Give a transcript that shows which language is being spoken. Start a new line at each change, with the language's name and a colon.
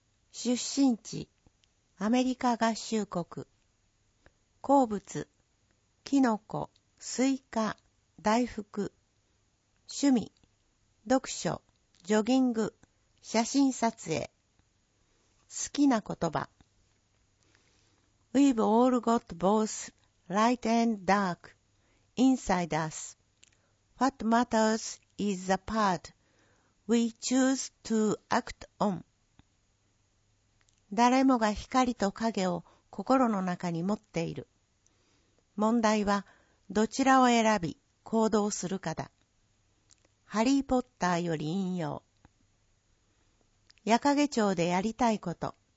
Japanese: 出身地、アメリカ合衆国。好物、キノコ、スイカ、大福。趣味、読書、ジョギング、写真撮影。好きな言葉。
English: We've all got both light and dark inside us. What matters is the part we choose to act on.
Japanese: 誰もが光と影を心の中に持っている。問題は、どちらを選び行動するかだ。ハリーポッターより引用。矢掛町でやりたいこと。